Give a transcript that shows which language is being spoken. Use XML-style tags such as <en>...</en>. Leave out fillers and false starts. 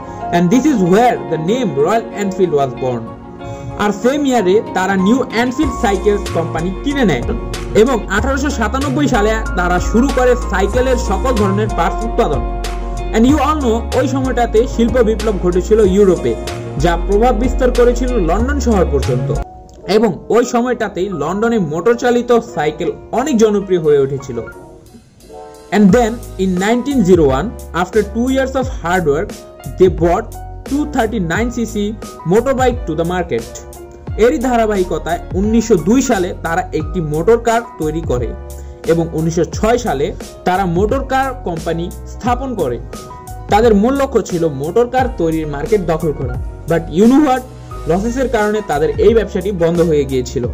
<en>And this is where the name Royal Enfield was born.</en> <bn>আর same ইয়ারে তারা new Enfield cycles company কিনে নেয় এবং 1897 সালে তারা শুরু করে সাইকেলের সকল ধরনের পার্টস উৎপাদন।</bn> <en>and you all know,</en> <bn>ওই সময়টাতে শিল্প বিপ্লব ঘটেছিল ইউরোপে, যা প্রভাব বিস্তার করেছিল লন্ডন শহর পর্যন্ত। এবং ওই সময়টাতেই লন্ডনে মোটরচালিত সাইকেল অনেক জনপ্রিয় হয়ে উঠেছিল।</bn> <en>And then in 1901, after 2 years of hard work, they brought 239cc motorbike to the market.</en> <bn>এরই ধারাবাহিকতায় 1902 সালে তারা একটি মোটর কার তৈরি করে এবং 1906 সালে তারা মোটর কার কোম্পানি স্থাপন করে। তাদের মূল লক্ষ্য ছিল মোটর কার তৈরির মার্কেট দখল করা,</bn> <en>but you know what,</en> <bn>লসেসের কারণে তাদের এই ব্যবসাটি বন্ধ হয়ে গিয়েছিল।</bn>